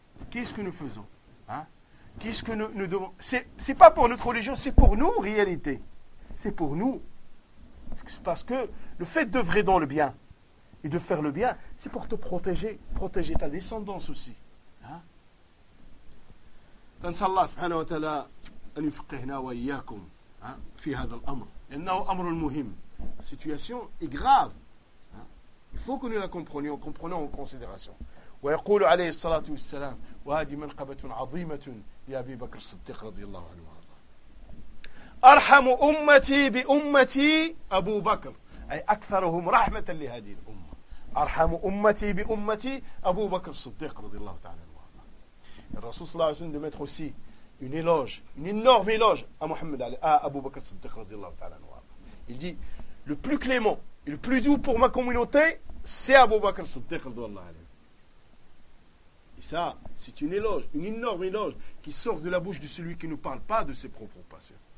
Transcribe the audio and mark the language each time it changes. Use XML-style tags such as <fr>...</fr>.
<fr>Qu'est-ce que nous faisons, hein? Qu'est-ce que nous devons... C'est pas pour notre religion, c'est pour nous, en réalité. C'est pour nous. C'est parce que le fait d'œuvrer dans le bien et de faire le bien, c'est pour te protéger, protéger ta descendance aussi.</fr> <ar>فنسأل الله سبحانه وتعالى أن يفقهنا وإياكم في هذا الأمر لأنه أمر مهم.</ar> <fr>Situation est grave. Il faut que nous la comprenions, comprenons en considération.</fr> <ar>ويقول عليه الصلاة والسلام وهذه منقبة عظيمة يا أبي بكر الصديق رضي الله عنه وارضاه. أرحم أمتي بأمتي أبو بكر أي أكثرهم رحمة لهذه الأمة. أرحم أمتي بأمتي أبو بكر الصديق رضي الله تعالى.</ar> <fr>Le Rasoul sallallahu alayhi wa sallam de mettre aussi une éloge, une énorme éloge à Mohammed Ali, à Abu Bakr Siddiq radiallahu ta'ala anhu. Il dit, le plus clément et le plus doux pour ma communauté, c'est Abu Bakr Siddiq radiallahu ta'ala. Et ça, c'est une éloge, une énorme éloge qui sort de la bouche de celui qui ne parle pas de ses propres passions.</fr>